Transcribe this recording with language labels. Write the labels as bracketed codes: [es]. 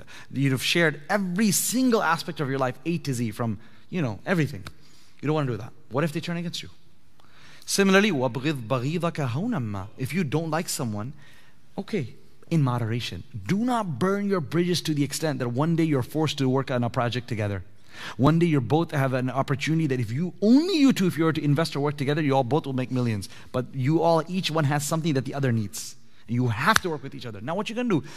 [en] You've shared every single aspect of your life, A to Z, from, you know, everything. You don't want to do that. What if they turn against you? Similarly, [ar] وَبْغِضْ بَغِيضَكَ هَوْنَمَّا. [en] If you don't like someone, okay, in moderation. Do not burn your bridges to the extent that one day you're forced to work on a project together. One day you're both have an opportunity that if you were to invest or work together, you all both will make millions. But you all, each one has something that the other needs. You have to work with each other. Now what you're going to do?